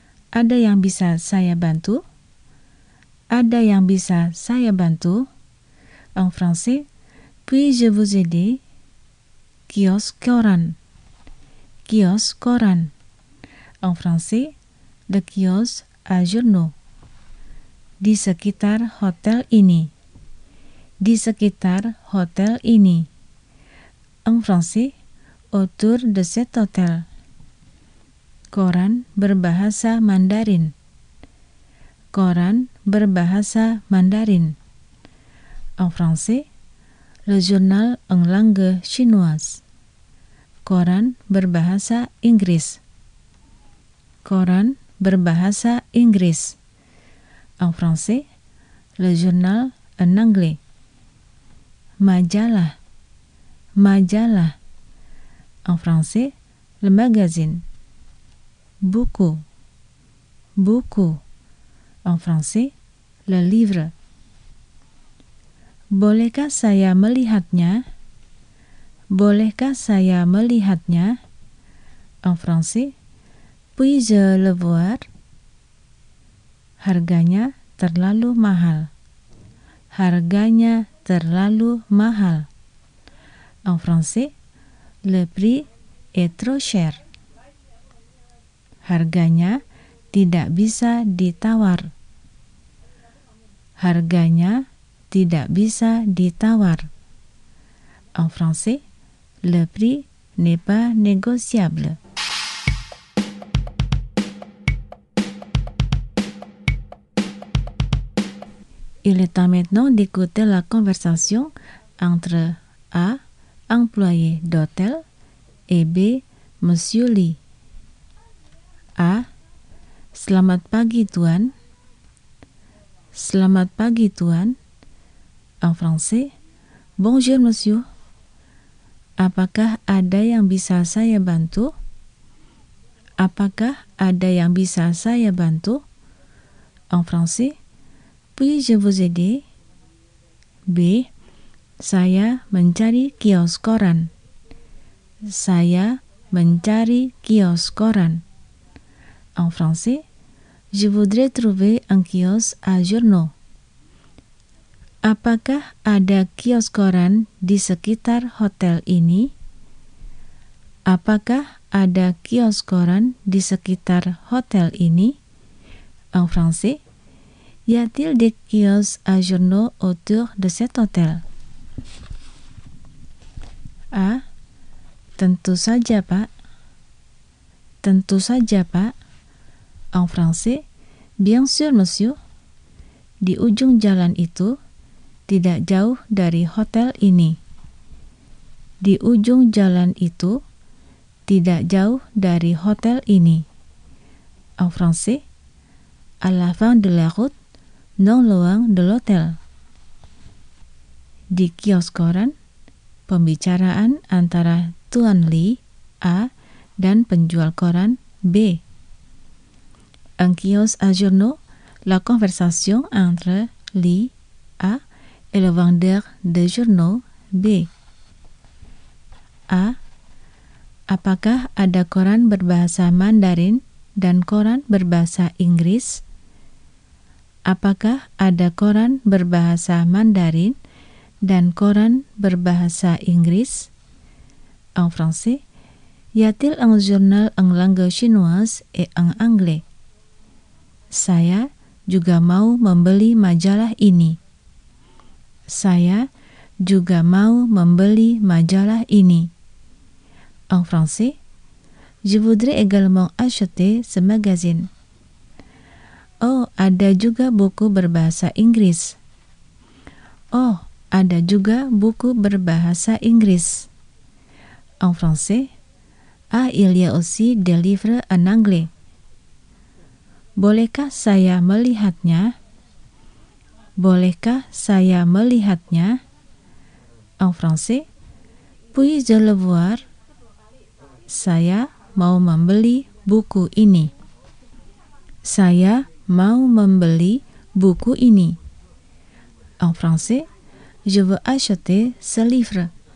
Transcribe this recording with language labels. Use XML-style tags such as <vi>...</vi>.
<id>Ada yang bisa saya bantu? Ada yang bisa saya bantu?</id> <fr>En français, puis-je vous aider?</fr> <id>Kiosque koran. Kiosque koran.</id> <fr>En français, le kiosque à journaux.</fr> <id>Di sekitar hotel ini. Di sekitar hotel ini.</id> <fr>En français, autour de cet hôtel.</fr> <id>Koran berbahasa Mandarin. Koran berbahasa Mandarin.</id> <fr>En français, le journal en langue chinoise.</fr> <id>Koran berbahasa Inggris. Koran berbahasa Inggris.</id> <fr>En français, le journal en anglais.</fr> <id>Majalah. Majalah.</id> <fr>En français, le magazine.</fr> <id>Buku. Buku.</id> <fr>En français, le livre.</fr> <id>Bolehkah saya melihatnya? Bolehkah saya melihatnya?</id> <fr>En français, puis-je le voir?</fr> <id>Harganya terlalu mahal. Harganya terlalu mahal.</id> <fr>En français, le prix est trop cher.</fr> <id>Harganya tidak bisa ditawar. Harganya tidak bisa ditawar.</id> <fr>En français, le prix n'est pas négociable. Il est temps maintenant d'écouter la conversation entre A, employé d'hôtel, et B, Monsieur Lee. A.</fr> <id>Selamat pagi, Tuan. Selamat pagi, Tuan.</id> <fr>En français, bonjour, monsieur.</fr> <id>Apakah ada yang bisa saya bantu? Apakah ada yang bisa saya bantu?</id> <fr>En français, puis-je vous aider? B.</fr> <id>Saya mencari kios koran. Saya mencari kios koran.</id> <fr>En français, je voudrais trouver un kiosque à journaux.</fr> <id>Apakah ada kios koran di sekitar hotel ini? Apakah ada kios koran di sekitar hotel ini?</id> <fr>En français, y a-t-il des kiosques à journaux autour de cet hôtel?</fr> <id>A. Tentu saja, Pak. Tentu saja, Pak.</id> <fr>En français, bien sûr, monsieur.</fr> <id>Di ujung jalan itu, tidak jauh dari hotel ini. Di ujung jalan itu, tidak jauh dari hotel ini.</id> <fr>En français, à la fin de la route, non loin de l'hôtel.</fr> <id>Di kios koran, pembicaraan antara Tuan Lee, A, dan penjual koran, B.</id> <fr>En kiosque à journaux, la conversation entre Lee, A, et le vendeur de journaux, B. A.</fr> <id>Apakah ada koran berbahasa Mandarin dan koran berbahasa Inggris? Apakah ada koran berbahasa Mandarin dan koran berbahasa Inggris?</id> <fr>En français, y a-t-il un journal en langue chinoise et en anglais?</fr> <id>Saya juga mau membeli majalah ini. Saya juga mau membeli majalah ini.</id> <fr>En français, je voudrais également acheter ce magazine.</fr> <id>Oh, ada juga buku berbahasa Inggris. Oh, ada juga buku berbahasa Inggris.</id> <fr>En français, ah, il y a aussi des livres en anglais.</fr> <id>Bolehkah saya melihatnya? Bolehkah saya melihatnya?</id> <fr>En français, puis-je le voir?</fr> <id>Saya mau membeli buku ini. Saya mau membeli buku ini.</id> <fr>En français, je veux acheter ce livre.</fr>